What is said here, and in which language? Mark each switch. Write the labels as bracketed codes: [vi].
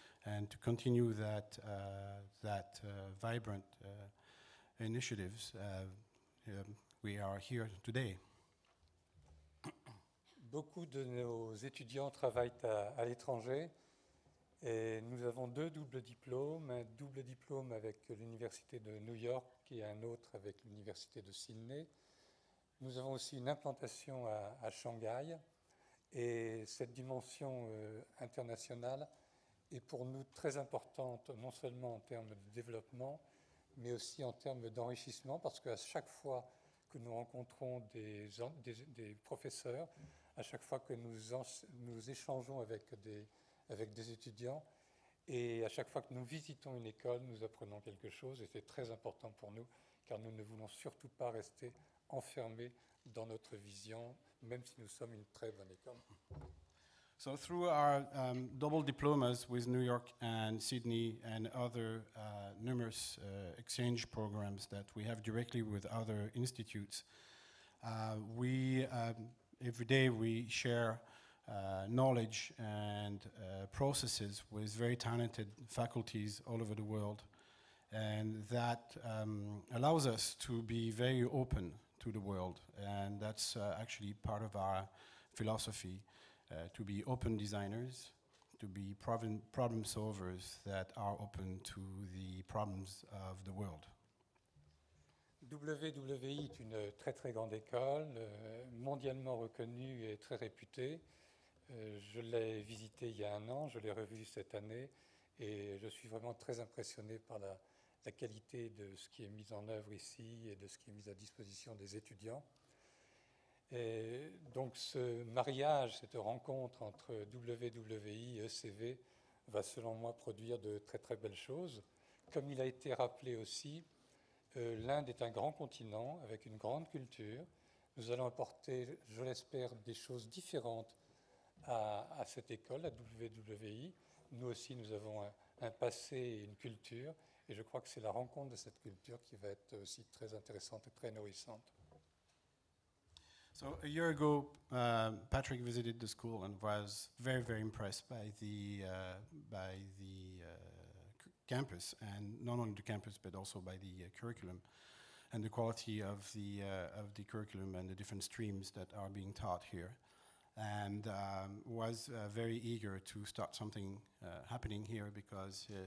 [en] And to continue that vibrant initiatives, we are here today. [fr] Beaucoup de nos étudiants travaillent à l'étranger et nous avons 2 doubles diplômes, un double diplôme avec l'Université de New York et un autre avec l'Université de Sydney. Nous avons aussi une implantation à Shanghai et cette dimension internationale est pour nous très importante, non seulement en termes de développement, mais aussi en termes d'enrichissement, parce qu'à chaque fois que nous rencontrons des professeurs, à chaque fois que nous échangeons avec des étudiants et à chaque fois que nous visitons une école, nous apprenons quelque chose et c'est très important pour nous car nous ne voulons surtout pas rester enfermés dans notre vision, même si nous sommes une très bonne école. [en] So through our double diplomas with New York and Sydney and other numerous exchange programs that we have directly with other institutes, every day we share knowledge and processes with very talented faculties all over the world. And that allows us to be very open to the world. And that's actually part of our philosophy, to be open designers, to be problem solvers that are open to the problems of the world. [fr] WWI est une très très grande école, mondialement reconnue et très réputée. Je l'ai visitée il y a un an, je l'ai revue cette année et je suis vraiment très impressionné par la qualité de ce qui est mis en œuvre ici et de ce qui est mis à disposition des étudiants. Et donc ce mariage, cette rencontre entre WWI et ECV va selon moi produire de très très belles choses. Comme il a été rappelé aussi, l'Inde est un grand continent avec une grande culture. Nous allons apporter, je l'espère, des choses différentes à cette école, à WWI. Nous aussi, nous avons un passé et une culture. Et je crois que c'est la rencontre de cette culture qui va être aussi très intéressante et très nourrissante. [en] So a year ago, Patrick visited the school and was very, very impressed by the campus, and not only the campus, but also by the curriculum and the quality of the curriculum and the different streams that are being taught here, and was very eager to start something happening here because